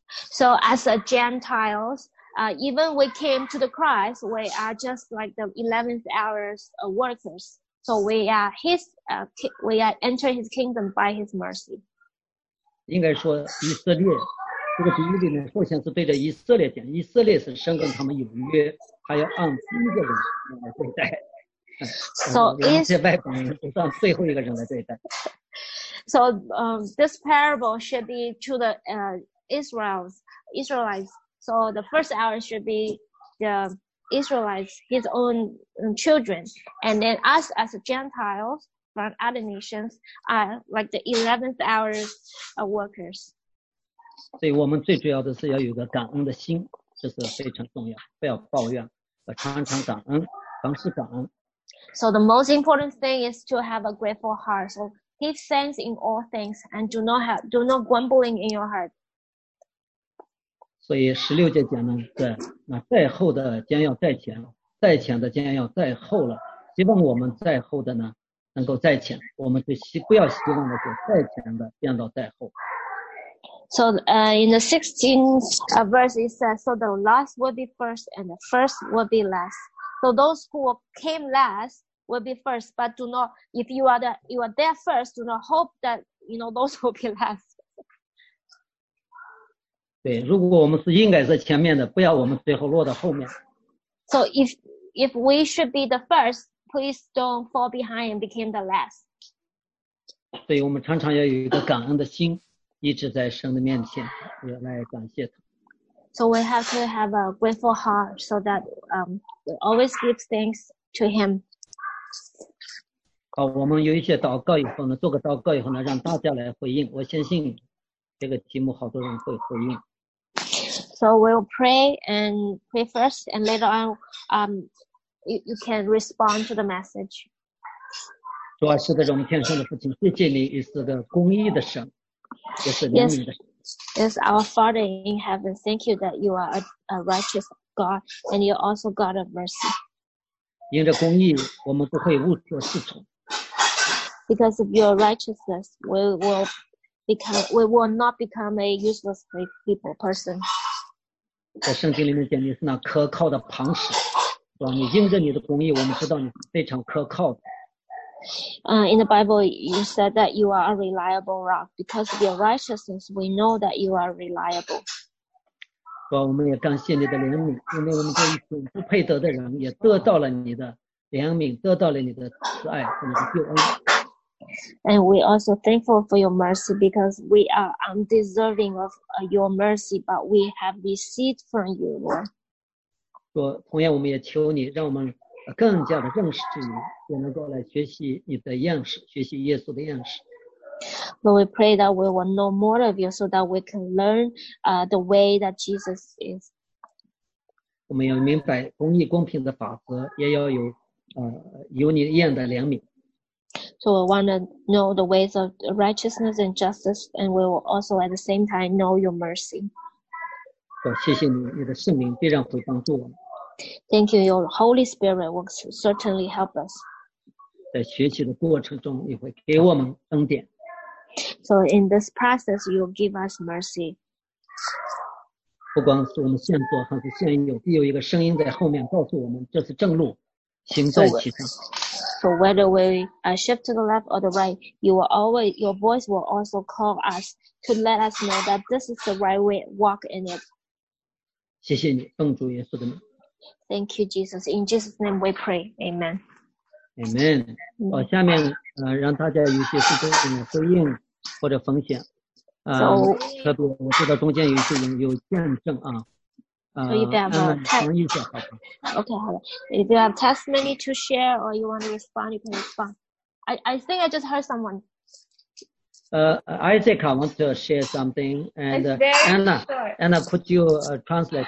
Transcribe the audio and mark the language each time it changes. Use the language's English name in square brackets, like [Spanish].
[English] So as a Gentiles, even we came to the Christ, we are just like the 11th hour's workers. So we are his, we are enter his kingdom by his mercy. [Chinese] 应该说以色列，这个比喻里面首先是对着以色列讲，以色列是神跟他们有约，他要按第一个人来对待。 [English] So [Chinese] is 外邦人是按最后一个人来对待。 [English] So this parable should be to the Israelites. So the first hour should be the Israelites, his own children. And then us as Gentiles from other nations are like the 11th hour workers. [Chinese] 所以我们最主要的是要有个感恩的心，这是非常重要，不要抱怨，常常感恩，凡事感恩。 [English] So the most important thing is to have a grateful heart. So give thanks in all things and do not grumbling in your heart. [Chinese] 所以十六节讲呢，在那在后的将要在前，在前的将要在后了。希望我们在后的呢能够在前，我们不要希望的是在前的变到在后。 [English] So in the 16th verse it says, so the last will be first and the first will be last. So those who came last will be first, but do not, if you are the, you are there first, do not hope that, you know, those will be last. [Chinese] 对，如果我们是应该在前面的，不要我们最后落到后面。 [English] So if we should be the first, please don't fall behind and become the last. [Chinese] 对，我们常常要有一个感恩的心，一直在神的面前，要来感谢他。 [English] So we have to have a grateful heart so that we always give thanks to him. [Chinese] 好，我们有一些祷告以后呢，做个祷告以后呢，让大家来回应。我相信这个题目好多人会回应。 [English] So we'll pray first, and later on, you can respond to the message. [Chinese] 主啊，是的，荣耀天上的父亲，谢谢你，你是个公义的神，也是怜悯的神。 [English] Yes, our Father in heaven, thank you that you are a righteous God and you're also God of mercy. [Chinese] 因着公义，我们不会误做事情。 [English] Because of your righteousness, we will not become a useless people person. [Chinese] 在圣经里面讲，你是那可靠的磐石。你因着你的公义，我们知道你非常可靠的。 [English] In the Bible, you said that you are a reliable rock. Because of your righteousness, we know that you are reliable. [Chinese] 主啊，我们也感谢你的怜悯，因为我们这一群不配得的人也得到了你的怜悯，得到了你的慈爱和你的救恩。 [English] And we also thankful for your mercy because we are undeserving of your mercy, but we have received from you, Lord. [Chinese] 说，同样我们也求你让我们更加的认识你，也能够来学习你的样式，学习耶稣的样式。 [English] Lord, we pray that we will know more of you so that we can learn the way that Jesus is. [Chinese] 我们要明白公义公平的法则，也要有有你一样的怜悯。 [English] So we want to know the ways of righteousness and justice, and we will also at the same time know your mercy. [Chinese] 谢谢你，你的圣灵必然会帮助我们。 [English] Thank you, your Holy Spirit will certainly help us. [Chinese] 在学习的过程中，你会给我们恩典。 [English] So in this process, you will give us mercy. [Chinese] 不光是我们现做还是现有，必有一个声音在后面告诉我们，这是正路，行在其上。 [English] So whether we shift to the left or the right, you will always, your voice will also call us to let us know that this is the right way, walk in it. [Chinese] 谢谢你，奉主耶稣的名。 [English] Thank you, Jesus. In Jesus' name we pray. Amen. [Chinese] Amen. 好，下面让大家有些时间回应或者分享。特别我知道中间有些人有见证啊。 [English] So if you have a testimony, okay, if you have testimony to share or you want to respond, you can respond. I think I just heard someone. Isaac, I want to share something. And Anna, could you translate?